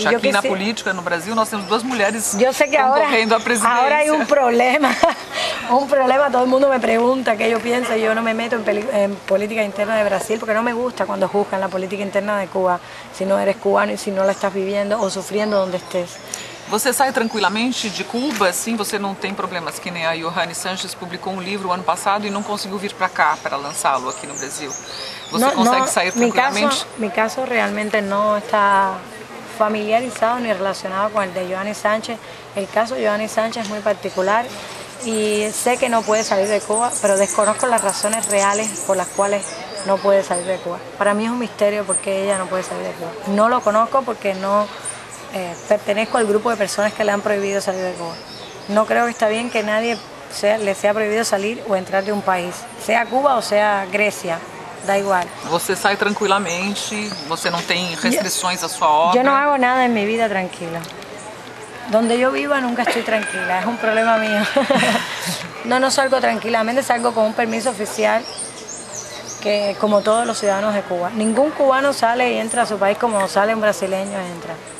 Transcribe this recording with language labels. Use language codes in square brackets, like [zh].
[es] Sí, aquí en la política, en el Brasil, nosotros tenemos dos mujeres concorriendo a presidencia. Ahora hay un problema. Un problema, todo el mundo me pregunta qué yo pienso. Yo no me meto en política interna de Brasil porque no me gusta cuando juzgan la política interna de Cuba. Si no eres cubano y si no la estás viviendo o sufriendo donde estés. [pt] Você sai tranquilamente de Cuba, sim, você não tem problemas, que nem a Giovanni Sánchez publicou um livro o ano passado e não conseguiu vir para cá para lançá-lo aqui no Brasil. Você consegue sair tranquilamente? Meu caso realmente não está familiarizado nem relacionado com o de Giovanni Sánchez. O caso de Giovanni Sánchez é muito particular e sei que não pode sair de Cuba, mas desconozco as razões reais por as quais não pode sair de Cuba. Para mim é um mistério porque ela não pode sair de Cuba. Não o conozco porque não... [es] pertenezco al grupo de personas que le han prohibido salir de Cuba. No creo que está bien que nadie le sea prohibido salir o entrar de un país, sea Cuba o sea Grecia, da igual. [pt] Você sai tranquilamente, você não tem restrições à sua obra. [es] Yo no hago nada en mi vida tranquila. Donde yo viva nunca estoy tranquila, es un problema mío. No salgo tranquilamente, salgo con un permiso oficial, que como todos los ciudadanos de Cuba. Ningún cubano sale y entra a su país como sale un brasileño y entra.